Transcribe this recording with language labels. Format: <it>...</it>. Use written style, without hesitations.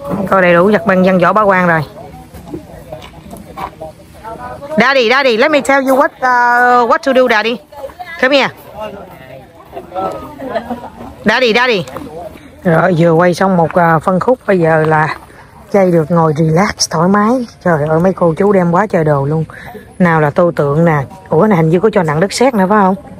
<vi>Có đầy đủ giặt băng dân võ bá quan rồi.</vi> <en>Daddy, daddy, let me tell you what to do, daddy. Come here. Daddy, daddy.</en> <vi>Rồi vừa quay xong một phân khúc, bây giờ là chay được ngồi relax thoải mái. Trời ơi mấy cô chú đem quá trời đồ luôn. Nào là tô tượng nè. Ủa này hình như có cho nặng đất sét nữa phải không?</vi>